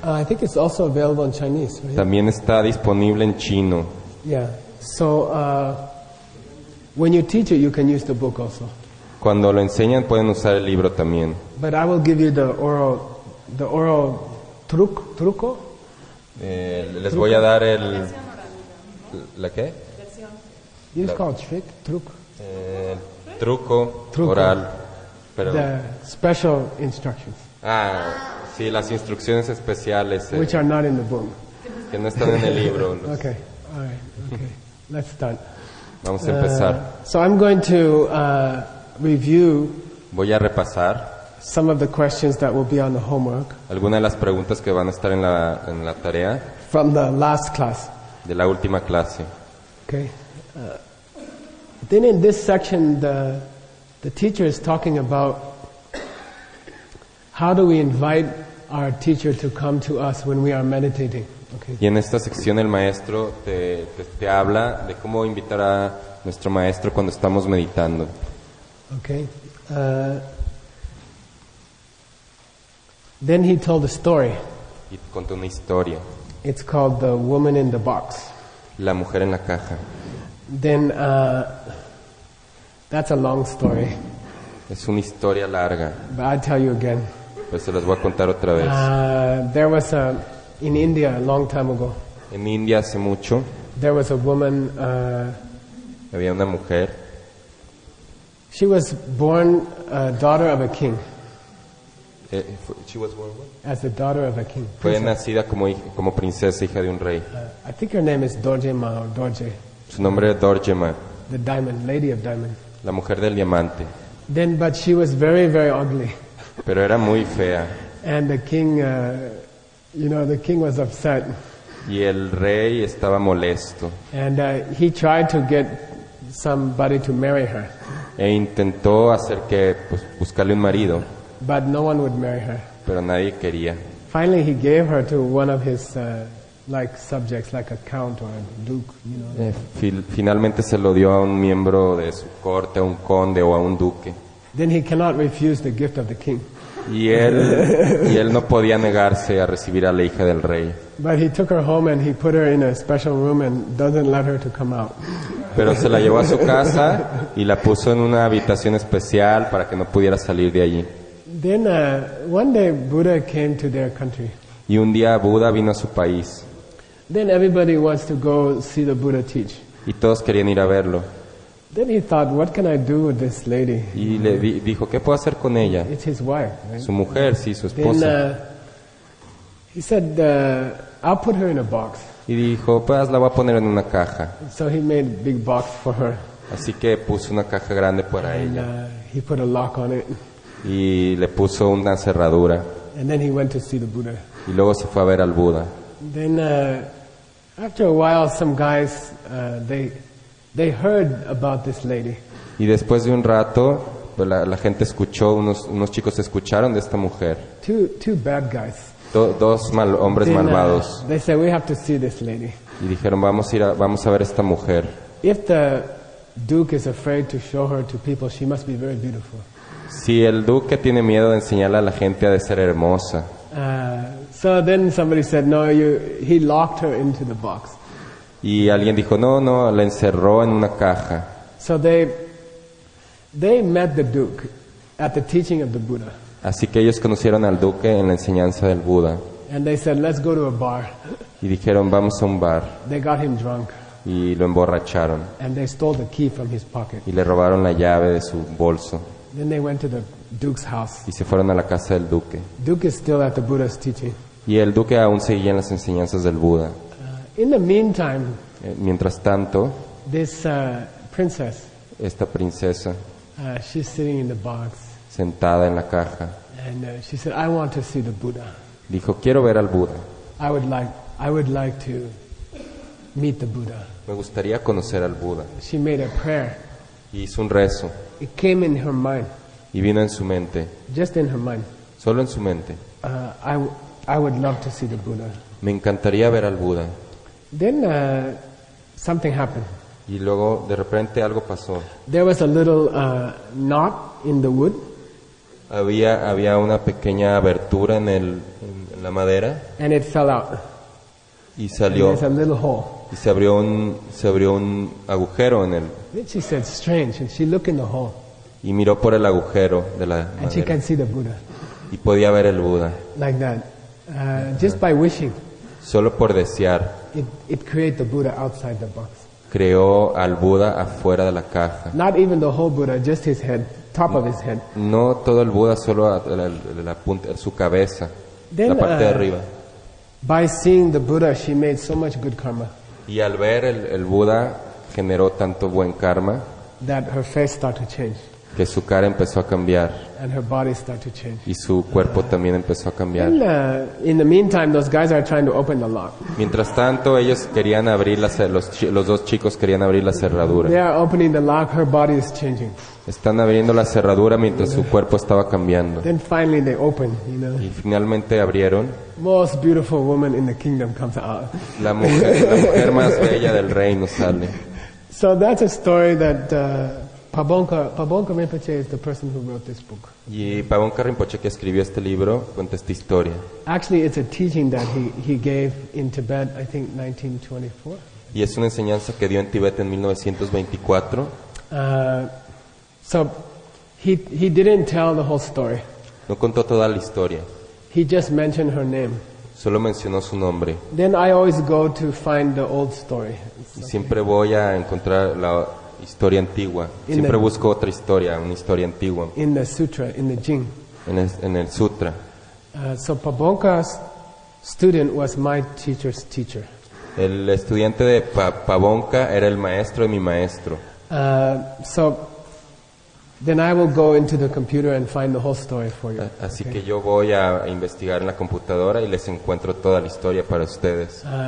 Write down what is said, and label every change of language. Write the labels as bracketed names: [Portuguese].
[English] I think it's also available in Chinese, right? [Spanish] También está disponible en chino. [English] Yeah. So, when you teach it, you can use the book also. [Spanish] Cuando lo enseñan, pueden usar el libro también. [English] But I will give you the oral truco. [Spanish] Les truco. Voy a dar el... ¿La qué? [English] You just call it trick, truco. [Spanish] Truco oral. Perdón. [English] The special instructions. [Spanish] Ah, sí, las instrucciones especiales. [English] Which are not in the book. [Spanish] Que no están en el libro. [English] Okay, all right, okay. Let's start. [Spanish] Vamos a empezar. [English] So I'm going to review. [Spanish] Voy a repasar. [English] Some of the questions that will be on the homework. [Spanish] Algunas de las preguntas que van a estar en la tarea. [English] From the last class. [Spanish] De la última clase. [English] Okay. Then in this section, the teacher is talking about how do we invite our teacher to come to us when we are meditating. Okay. [Spanish] Y en esta sección el maestro te habla de cómo invitar a nuestro maestro cuando estamos meditando. [English] Okay. Then he told a story. [Spanish] Y contó una historia. [English] It's called The Woman in the Box. [Spanish] La mujer en la caja. [English] Then that's a long story. [Spanish] Es una historia larga. [English] But I'll tell you again. [Spanish] Pues se las voy a contar otra vez. [English] There was a in India a long time ago. [Spanish] En India hace mucho. [English] There was a woman. [Spanish] Había una mujer. [English] She was born a daughter of a king. She was born what? As the daughter of a king. [Spanish] Fue nacida como princesa, hija de un rey. [English] I think her name is Dorje Ma or Dorje. [Spanish] Su nombre es Dorje Ma. [English] The diamond, lady of diamond. [Spanish] La mujer del diamante. [English] Then, but she was very, very ugly. [Spanish] Pero era muy fea. [English] And the king, you know, the king was upset. [Spanish] Y el rey estaba molesto. [English] And he tried to get somebody to marry her. [Spanish] E intentó hacer que, pues, buscarle un marido. [English] But no one would marry her. [Spanish] Pero nadie quería. [English] Finally, he gave her to one of his like subjects, like a count or a duke, you know. [Spanish] Finalmente se lo dio a un miembro de su corte, a un conde o a un duque. [English] Then he cannot refuse the gift of the king. [Spanish] Y él no podía negarse a recibir a la hija del rey. [English] But he took her home and he put her in a special room and doesn't let her to come out. [Spanish] Pero se la llevó a su casa y la puso en una habitación especial para que no pudiera salir de allí. [English] Then one day Buddha came to their country. [Spanish] Y un día Buda vino a su país. [English] Then everybody wants to go see the Buddha teach. [Spanish] Y todos querían ir a verlo. [English] Then he thought, what can I do with this lady? [Spanish] Y le dijo, ¿qué puedo hacer con ella? [English] It's his wife, right? [Spanish] Su mujer, sí, su esposa. [English] Then he said, I'll put her in a box. [Spanish] Y dijo, pues la voy a poner en una caja. [English] So he made a big box for her. [Spanish] Así que puso una caja grande para [English] and, [Spanish] ella. [English] He put a lock on it. [Spanish] Y le puso una cerradura. [English] And then he went to see the Buddha. [Spanish] Y luego se fue a ver al Buda. [English] Then, after a while, some guys they heard about this lady. [Spanish] Y después de un rato, pues la gente escuchó, unos chicos escucharon de esta mujer. [English] Two bad guys. [Spanish] Dos hombres [English] then, [Spanish] malvados. [English] They said we have to see this lady. [Spanish] Y dijeron vamos a ver esta mujer. [English] If the duke is afraid to show her to people, she must be very beautiful. [Spanish] Si el duque tiene miedo de enseñarle a la gente, ha de ser hermosa. [English] So then somebody said, "No, he locked her into the box." [Spanish] Y alguien dijo, no, la encerró en una caja. [English] So they met the duke at the teaching of the Buddha. [Spanish] Así que ellos conocieron al duque en la enseñanza del Buda. [English] And they said, "Let's go to a bar." [Spanish] Y dijeron, vamos a un bar. [English] They got him drunk. [Spanish] Y lo emborracharon. [English] And they stole the key from his pocket. [Spanish] Y le robaron la llave de su bolso. [English] Then they went to the Duke's house. [Spanish] Y se fueron a la casa del duque. [English] Duke is still at the Buddha's teaching. [Spanish] Y el duque aún seguía en las enseñanzas del Buda. [English] In the meantime, [Spanish] mientras tanto, [English] this princess, [Spanish] esta princesa, [English] She's sitting in the box. [Spanish] Sentada en la caja. [English] And she said, "I want to see the Buddha." [Spanish] Dijo, quiero ver al Buda. [English] I would like to meet the Buddha. [Spanish] Me gustaría conocer al Buda. [English] She made a prayer. [Spanish] Y hizo un rezo. [English] It came in her mind. [Spanish] Y vino en su mente. [English] Just in her mind. [Spanish] Solo en su mente. [English] I would love to see the Buddha. [Spanish] Me encantaría ver al Buda. [English] Then something happened. [Spanish] Y luego de repente algo pasó. [English] There was a little knot in the wood. [Spanish] Había una pequeña abertura en el en la madera. [English] And it fell out. [Spanish] Y salió. [English] And there's a little hole. [Spanish] Y se abrió un agujero en el. [English] Then she said, "Strange," and she looked in the hole. [Spanish] Y miró por el agujero de la madera. [English] And she can see the Buddha. [Spanish] Y podía ver el Buda. [English] Like that. Just by wishing. [Spanish] Solo por desear. [English] It created the Buddha outside the box. [Spanish] Creó al Buda afuera de la caja. [English] Not even the whole Buddha, just his head, top of his head. [Spanish] No todo el Buda, solo la punta de su cabeza. [English] Then, [Spanish] la parte de arriba. [English] By seeing the Buddha, she made so much good karma. [Spanish] Y al ver el Buda generó tanto buen karma. [English] That her face started to change. [Spanish] Que su cara empezó a cambiar. [English] And her body started to change. [Spanish] Y su cuerpo también empezó a cambiar. [English] In the meantime, those guys are trying to open the lock. [Spanish] Mientras tanto, ellos querían abrir los dos chicos querían abrir la cerradura. [English] They are opening the lock. Her body is changing. [Spanish] Están abriendo la cerradura mientras su cuerpo estaba cambiando. [English] Then finally they open, [Spanish] Y finalmente abrieron. [English] Most beautiful woman in the kingdom comes out. [Spanish] La mujer más bella del reino sale. [English] So that's a story that Pabongka Rinpoche is the person who wrote this book. [Spanish] Y Pabongka Rinpoche, que escribió este libro, cuenta esta historia. [English] Actually, it's a teaching that he gave in Tibet, I think 1924. [Spanish] Y es una enseñanza que dio en Tibet en 1924. [English] So he didn't tell the whole story. [Spanish] No contó toda la historia. [English] He just mentioned her name. [Spanish] Solo mencionó su nombre. [English] Then I always go to find the old story. [Spanish] Y siempre voy a encontrar la historia antigua. Siempre busco otra historia, una historia antigua. [English] In the sutra, in the jing. [Spanish] En el sutra. [English] So Pabongka's student was my teacher's teacher. [Spanish] El estudiante de Pabongka era el maestro de mi maestro. [English] So then I will go into the computer and find the whole story for you. [Spanish] Así que yo voy a investigar en la computadora y les encuentro toda la historia para ustedes.